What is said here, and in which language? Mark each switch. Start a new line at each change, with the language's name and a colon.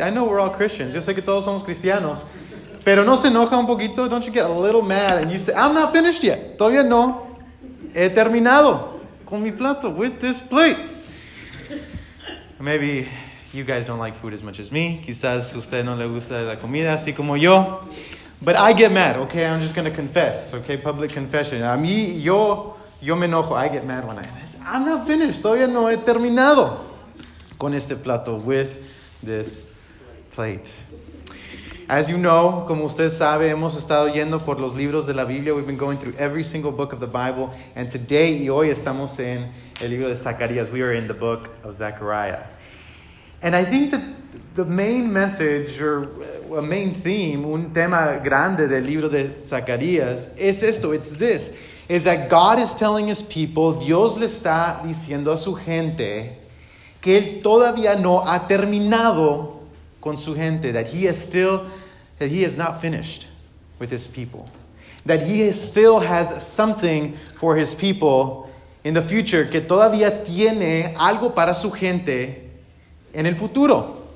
English: I know we're all Christians.
Spanish: Yo sé que todos somos cristianos. Pero no se enoja un poquito?
English: Don't you get a little mad? And you say, I'm not finished yet.
Spanish: Todavía no he terminado con mi plato,
English: with this plate. Maybe you guys don't like food as much as me.
Spanish: Quizás usted no le gusta la comida así como yo.
English: But I get mad, okay? I'm just going to confess, okay? Public confession.
Spanish: A mí, yo me enojo.
English: I get mad when I say, I'm not finished.
Spanish: Todavía no he terminado con este plato,
English: with this plate. As you know,
Spanish: como usted sabe, hemos estado yendo por los libros de la Biblia.
English: We've been going through every single book of the Bible. And today,
Spanish: y hoy, estamos en el libro de Zacarías.
English: We are in the book of Zechariah. And I think that the main message, or a main theme,
Spanish: un tema grande del libro de Zacarías, es esto,
English: it's this. Is that God is telling his people,
Spanish: Dios le está diciendo a su gente, que él todavía no ha terminado con su gente.
English: That he is not finished with his people. That he still has something for his people in the future.
Spanish: Que todavía tiene algo para su gente en el futuro.